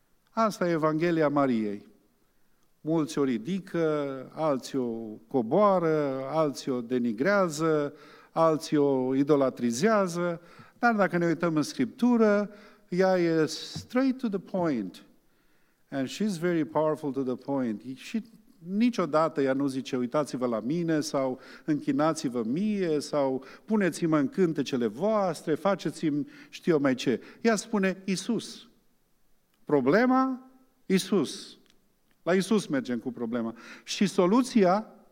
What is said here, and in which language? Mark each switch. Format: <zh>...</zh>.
<ro>Asta e Evanghelia Mariei. Mulți o ridică, alții o coboară, alții o denigrează, alții o idolatrizează, dar dacă ne uităm în Scriptură, ea e</ro> <en>straight to the point. And she's very powerful to the point.</en> <ro>Și niciodată ea nu zice, uitați-vă la mine sau închinați-vă mie sau puneți-mă în cântecele voastre, faceți-mi știu eu mai ce. Ea spune Iisus. Problema? Iisus. La Iisus mergem cu problema. Și soluția?</ro>